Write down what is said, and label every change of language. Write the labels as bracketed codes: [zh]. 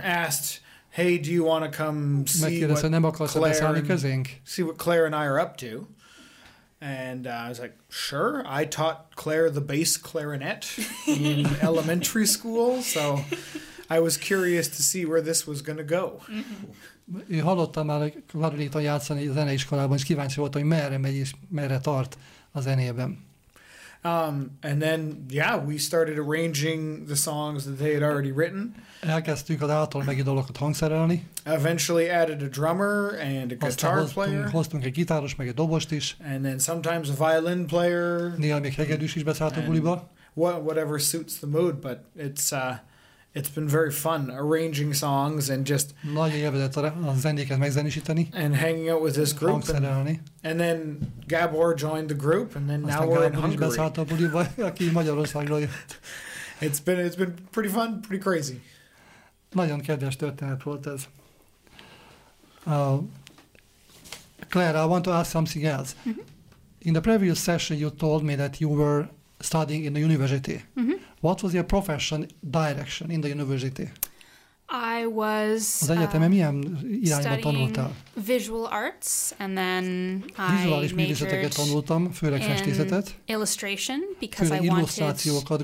[en] Asked, "Hey, do you want to come see what Claire and I are up to?" And I was like, "Sure." I taught Claire the bass clarinet in elementary school, so I was curious to see where this was going to go. [hu] Ő hallotta már a klarinéton játszani a zeneiskolában, és kíváncsi volt, hogy merre megy és merre tart a zenében. [en] And then, yeah, we started arranging the songs that they had already written. [hu] Elkezdtünk az által megint dolgokat hangszerelni. [en] Eventually added a drummer and a guitar player. [hu] Hoztunk egy gitáros, meg egy dobost is. [en] And then sometimes a violin player. [hu] Néha még hegedűs is beszállt a buliba. [en] Whatever suits the mood, but it's been very fun arranging songs and just [hu] nagyon élvezett a zenéket megzenésíteni [en] and hanging out with this group and then Gábor joined the group and then now we're in Hungary. [hu] Beszállt a buliba, aki Magyarországról jött. [en] It's been pretty fun, pretty crazy. [hu] Nagyon kedves történet volt ez. [en] Claire, I want to ask something else. Mm-hmm. In the previous session you told me that you were studying in the university. Mm-hmm. What was your profession direction in the university? I was studying visual arts and then [hu] vizuális művészeteket tanultam, főleg festészetet. [en] Illustration because I wanted